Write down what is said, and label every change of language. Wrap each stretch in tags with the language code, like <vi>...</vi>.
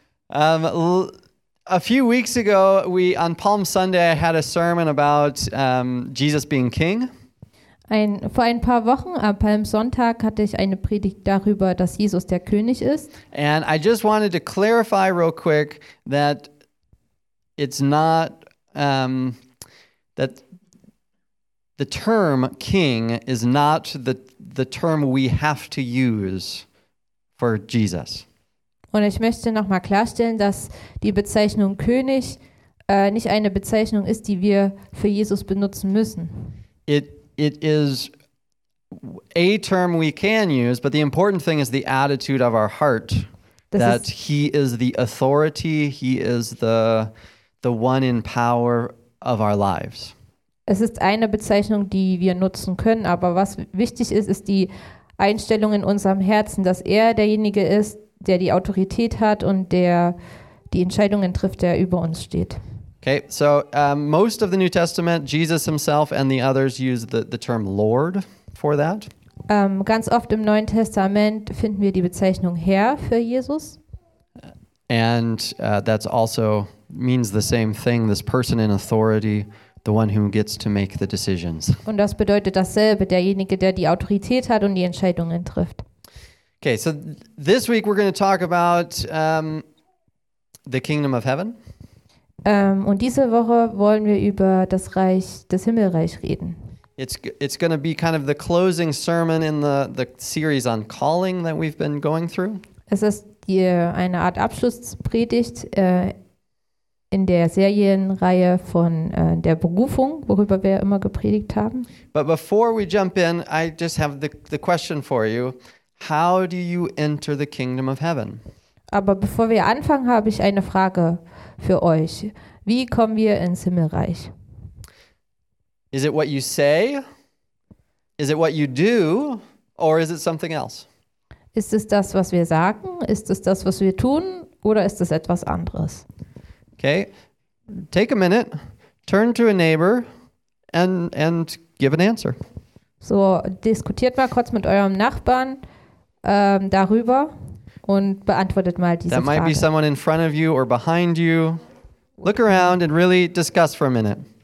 <en>A few weeks ago, on Palm Sunday, I had a sermon about Jesus being king.</en> <de>Vor ein paar Wochen, am Palmsonntag, hatte ich eine Predigt darüber, dass Jesus der König ist.</de> <en>And I just wanted to clarify real quick that it's not that the term king is not the term we have to use for Jesus.</en> <de>Und ich möchte nochmal klarstellen, dass die Bezeichnung König nicht eine Bezeichnung ist, die wir für Jesus benutzen müssen.</de> <en>It is a term we can use, but the important thing is the attitude of our heart, that he is the authority, he is the one in power of our lives.</en> <de>Es ist eine Bezeichnung, die wir nutzen können, aber was wichtig ist, ist die Einstellung in unserem Herzen, dass er derjenige ist, der die Autorität hat und der die Entscheidungen trifft, der über uns steht.</de> <en>Okay, so most of the New Testament, Jesus himself and the others use the term Lord for that.</en> <de>Ganz oft im Neuen Testament finden wir die Bezeichnung Herr für Jesus.</de> <en>And that's also means the same thing, this person in authority, the one who gets to make the decisions.</en> <de>Und das bedeutet dasselbe, derjenige, der die Autorität hat und die Entscheidungen trifft.</de> <en>Okay, so this week we're going to talk about the kingdom of heaven.</en> <de>Und diese Woche wollen wir über das Reich, das Himmelreich reden.</de> <en>It's going to be kind of the closing sermon in the series on calling that we've been going through.</en> <de>Es ist die, eine Art Abschlusspredigt in der Serienreihe von der Berufung, worüber wir immer gepredigt haben.</de> <en>But before we jump in, I just have the question for you. How do you enter the kingdom of heaven?</en> <de>Aber bevor wir anfangen, habe ich eine Frage für euch. Wie kommen wir ins Himmelreich?</de> <en>Is it what you say? Is it what you do? Or is it something else?</en> <de>Ist es das, was wir sagen? Ist es das, was wir tun? Oder ist es etwas anderes?</de> <en>Okay. Take a minute. Turn to a neighbor and give an answer.</en> <de>So, diskutiert mal kurz mit eurem Nachbarn darüber und beantwortet mal diese Frage.</de> <en>might be someone in front of you or behind you. Look around and really discuss for a minute.</en>